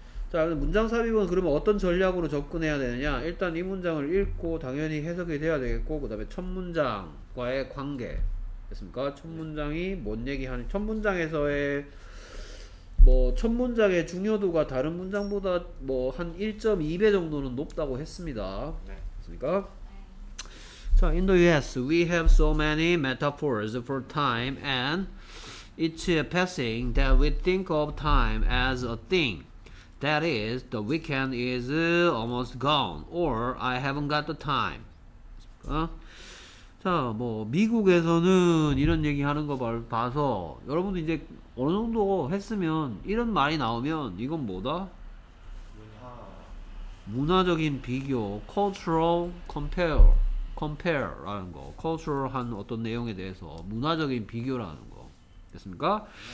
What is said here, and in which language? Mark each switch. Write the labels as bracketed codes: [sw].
[ko] 자, 문장삽입은 그러면 어떤 전략으로 접근해야 되느냐. 일단 이 문장을 읽고 당연히 해석이 돼야 되겠고, 그 다음에 첫 문장과의 관계 됐습니까? 첫 문장이 뭔 얘기하는, 첫 문장에서의 뭐 첫 문장의 중요도가 다른 문장보다 뭐 한 1.2배 정도는 높다고 했습니다. 됐습니까? [en] 자, in the US we have so many metaphors for time and each passing that we think of time as a thing. That is, the weekend is almost gone, or I haven't got the time. [ko] 어? 자, 뭐 미국에서는 이런 얘기하는 거 봐서 여러분도 이제 어느 정도 했으면 이런 말이 나오면 이건 뭐다? 문화적인 비교, cultural compare라는 거, cultural한 어떤 내용에 대해서 문화적인 비교라는 거. 됐습니까?